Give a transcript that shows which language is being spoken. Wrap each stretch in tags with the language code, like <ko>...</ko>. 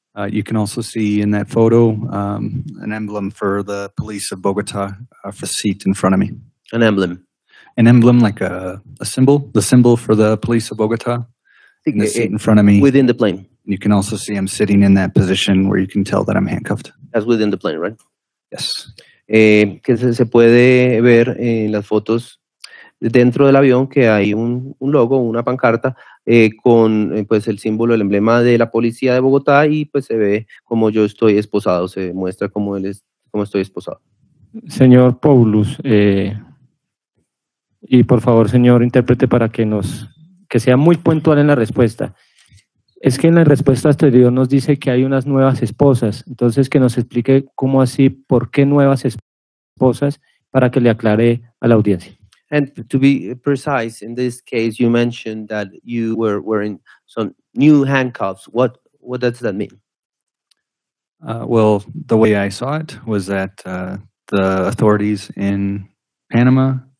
<en>You can also see in that photo an emblem for the police of Bogota off a seat in front of me. An emblem. An emblem, like a symbol. The symbol for the police of Bogota in the seat in front of me. Within the plane. You can also see I'm sitting in that position where you can tell that I'm handcuffed. That's within the plane, right? Yes.</en> <es>Que se puede ver en las fotos dentro del avión que hay un logo, una pancarta, con pues el símbolo, el emblema de la policía de Bogotá y pues se ve como yo estoy esposado, se muestra como él es, como estoy esposado. Señor Paulus, y por favor, señor intérprete, para que nos, que sea muy puntual en la respuesta. Es que en la respuesta anterior nos dice que hay unas nuevas esposas, entonces que nos explique cómo así, por qué nuevas esposas, para que le aclare a la audiencia.</es> <en>And to be precise, in this case, you mentioned that you were wearing some new handcuffs. What does that mean? Well, the way I saw it was that the authorities in Panama.</en>